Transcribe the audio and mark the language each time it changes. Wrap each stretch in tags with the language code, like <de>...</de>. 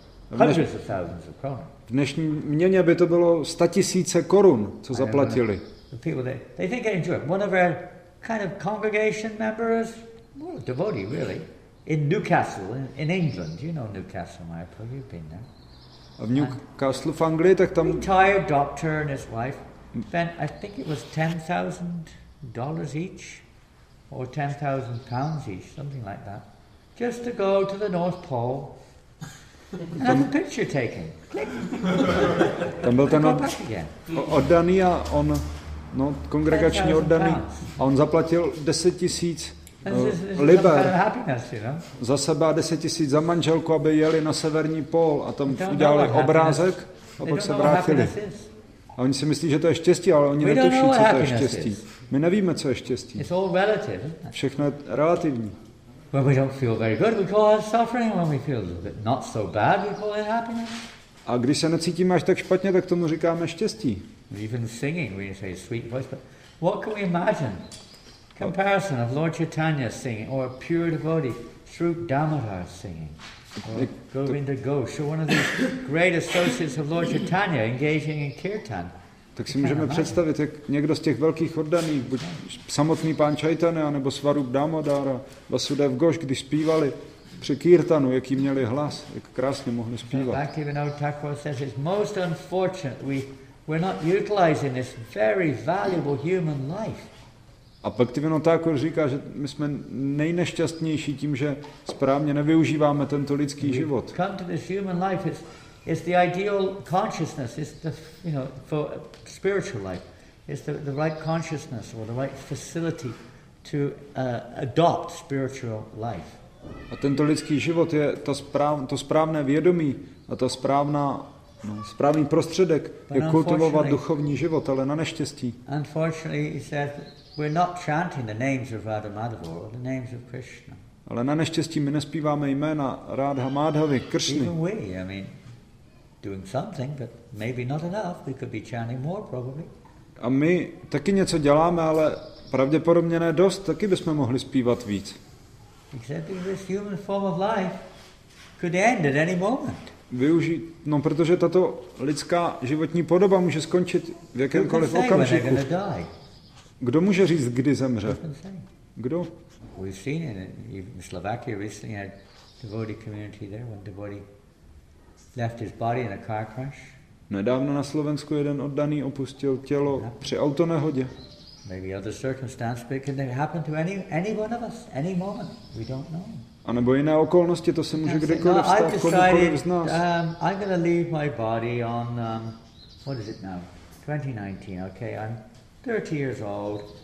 <cs>V dnešní měně by to bylo 100 000 korun, co zaplatili.</cs> <en>They think they enjoy it. One of our kind of congregation members, well, a devotee really, in Newcastle, in England. You know Newcastle, my friend. You've been there.</en> <cs>A v Newcastle v Anglii, tak tam.</cs> <en>Retired doctor and his wife. Spent, I think it was $10,000 each, or £10,000 each, something like that, just to go to the North Pole. And have a picture taken. Click.</en> <cs>Tam byl ten oddaný a on, no, kongregační oddaný, a on zaplatil 10 000 liber za sebe a 10 000 za manželku, aby jeli na severní pól a tam udělali obrázek a pak se vrátili. A oni si myslí, že to je štěstí, ale oni netuší, co to je štěstí. My nevíme, co je štěstí. Všechno je relativní.</cs> <en>When we don't feel very good, we call it suffering. When we feel a bit not so bad, we call it happiness.</en> <cs>A když se necítíme až tak špatně, tak tomu říkáme štěstí.</cs> <en>Even singing, we say sweet voice. But what can we imagine? Comparison of Lord Chaitanya singing, or a pure devotee, Sri Damodar singing, or Govinda Ghosh, or one of these great associates of Lord Chaitanya engaging in kirtan.</en> <cs>Tak si můžeme představit, jak někdo z těch velkých oddaných, buď samotný pán Chaitanya, nebo Svarup Damodar a Vasudev Ghosh, když zpívali při kirtanu, jaký měli hlas, jak krásně mohli zpívat.</cs> <en>Bhaktivinoda Thakura says it's most unfortunate we're not utilizing this very valuable human life.</en> <cs>A Bhaktivinoda Thakura říká, že my jsme nejnešťastnější tím, že správně nevyužíváme tento lidský život.</cs> <en>Come to this human life, it's the ideal consciousness, it's the, you know, for spiritual life, it's the right consciousness or the right facility to adopt spiritual life.</en> <cs>A tento lidský život je to správné vědomí a to správná, no, správný prostředek je kultivovat duchovní život, ale na neštěstí.</cs> <en>Unfortunately, he said, We're not chanting the names of Radha Madhava or the names of Krishna.</en> <cs>Ale na neštěstí my nespíváme jména Radha Madhavy, Kršny.</cs> <en>Even we, I mean, doing something, but maybe not enough. We could be chanting more, probably.</en> <cs>A my taky něco děláme, ale pravděpodobně ne dost, taky bychom mohli zpívat víc.</cs> <en>Exactly, this human form of life could end at any moment.</en> <cs>Využít, no protože tato lidská životní podoba může skončit v jakémkoliv okamžiku. Kdo může říct, kdy zemře? Kdo?</cs> <en>We've seen it in Slovakia recently, a devotee community there, when devotee left his body in a car crash.</en> <cs>Nedávno na Slovensku jeden oddaný opustil tělo při autonehodě.</cs> <en>Maybe other circumstances, but can they happen to any one of us, any moment? We don't know.</en> <cs>A nebo jiné okolnosti, to se může kdekoliv stát, kolikoliv z nás.</cs> <en>I'm going to leave my body on, what is it now, 2019, okay, I'm 30 years old.</en>